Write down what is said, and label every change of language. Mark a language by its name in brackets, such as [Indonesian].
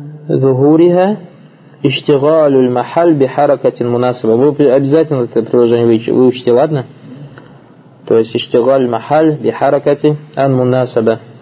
[Arabic] ظهورها اشتغال المحل بحركة مناسبة. [Russian] Вы обязательно это приложение выучите, ладно? То есть [Arabic] اشتغال المحل بحركة مناسبة.